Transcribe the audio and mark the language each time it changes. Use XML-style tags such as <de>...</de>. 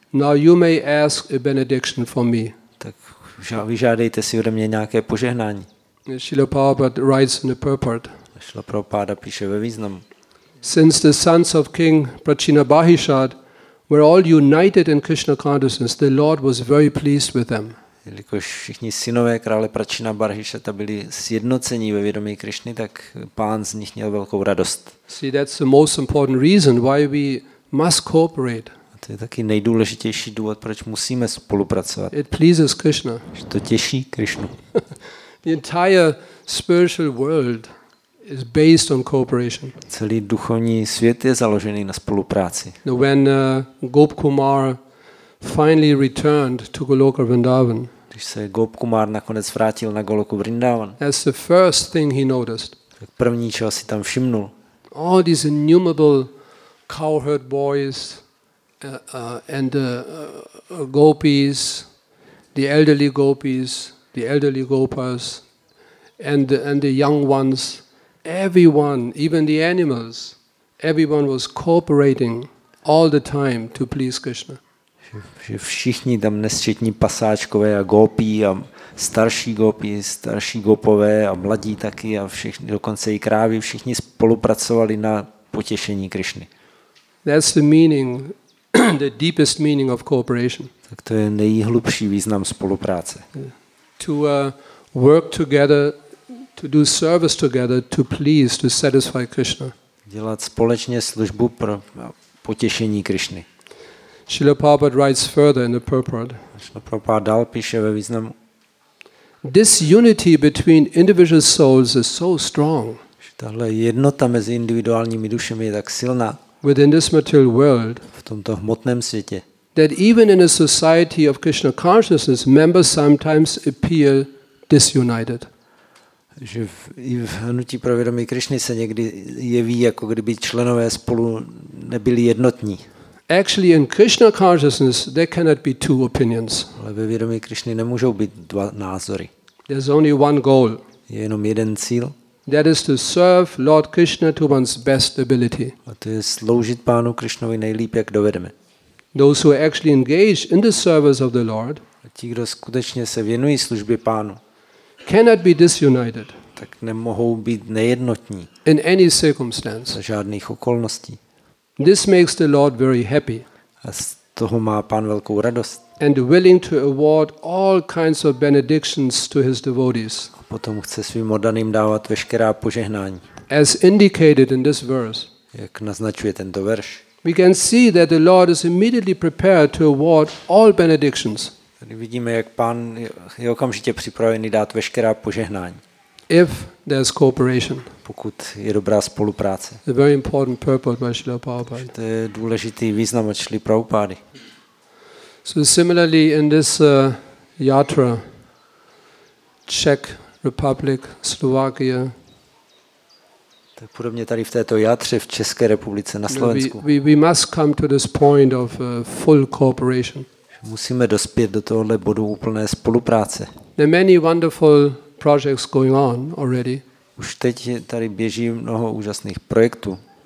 <en>Now you may ask a benediction for me.</en> <cs>Tak vyžádejte si ode mě nějaké požehnání.</cs> <en>Srila Prabhupada writes in the purport.</en> <cs>Srila Prabhupada píše ve významu.</cs> <en>Since the sons of King Prachinabahishad were all united in Krishna consciousness, the Lord was very pleased with them.</en> <cs>Jelikož všichni synové krále Prachinabahishada byli sjednocení ve vědomí Krišny, tak pán z nich měl velkou radost.</cs> <en>See, that's the most important reason why we must cooperate.</en> <cs>To je taky nejdůležitější důvod, proč musíme spolupracovat.</cs> <en>It pleases Krishna.</en> <cs>To těší Krišnu.</cs> <en>The entire spiritual world is based on cooperation.</en> <cs>Celý duchovní svět je založený na spolupráci.</cs> <en>When Gop Kumar finally returned to Goloka Vrindavan.</en> <cs>Když se Gop Kumar nakonec vrátil na Goloku Vrindavan.</cs> <en>That's the first thing he noticed.</en> <cs>Tak první, čeho si tam všimnul.</cs> <en>All these innumerable cowherd boys and gopis, the elderly gopas, and the young ones, everyone, even the animals, everyone was cooperating all the time to please Krishna.</en> <cs>Že všichni tam nesčetní pasáčkové a gopí a starší gopové a mladí taky a všichni, dokonce i krávy, všichni spolupracovali na potěšení Krišny.</cs> <en>That's the meaning, the deepest meaning of cooperation.</en> <cs>Tak to je nejhlubší význam spolupráce.</cs> <en>To work together, to do service together, to please, to satisfy Krishna.</en> <cs>Dělat společně službu pro potěšení Krišny.</cs> <en>Srila Prabhupada writes further in the purport.</en> <cs>Srila Prabhupada dál píše ve významu.</cs> <en>This unity between individual souls is so strong.</en> <cs>Tahle jednota mezi individuálními dušemi je tak silná.</cs> <en>Within this material world.</en> <cs>V tomto hmotném světě.</cs> <en>That even in a society of Krishna consciousness, members sometimes appear disunited.</en> <cs>Že i v hnutí pro vědomí Krišny se někdy jeví, jako kdyby členové spolu nebyli jednotní.</cs> <en>Actually, in Krishna consciousness, there cannot be two opinions.</en> <cs>Ale ve vědomí Krišny nemůžou být dva názory.</cs> <en>There's only one goal.</en> <cs>Je jenom jeden cíl.</cs> <en>That is to serve Lord Krishna to one's best ability.</en> <cs>A to je sloužit Pánu Krišnovi nejlíp, jak dovedeme.</cs> <en>Those who are actually engaged in the service of the Lord.</en> <cs>A ti, kdo skutečně se věnují službě Pánu.</cs> <en>Cannot be disunited.</en> <cs>Tak nemohou být nejednotní.</cs> <en>In any circumstance.</en> <cs>Za žádných okolností.</cs> <en>This makes the Lord very happy.</en> <cs>A z toho má Pán velkou radost.</cs> <en>And willing to award all kinds of benedictions to his devotees.</en> <cs>A potom chce svým oddaným dávat veškerá požehnání.</cs> <en>As indicated in this verse.</en> <cs>Jak naznačuje tento verš.</cs> <en>We can see that the Lord is immediately prepared to award all benedictions.</en> <cs>Tady vidíme, jak Pán je okamžitě připravený dát veškerá požehnání.</cs> <en>If there's cooperation.</en> <cs>Pokud je dobrá spolupráce.</cs> <en>A very important purport by Srila Prabhupada.</en> <cs>To je důležitý význam od Srila Prabhupady.</cs> <en>So similarly in this yatra, Czech Republic, Slovakia.</en> <cs>Tak podobně tady v této játře v České republice na Slovensku.</cs> <en>We must come to this point of full cooperation.</en> <cs>Musíme dospět do tohoto bodu úplné spolupráce.</cs> <en>There are many wonderful projects going on already.</en> <cs>Už teď tady běží mnoho úžasných projektů.</cs>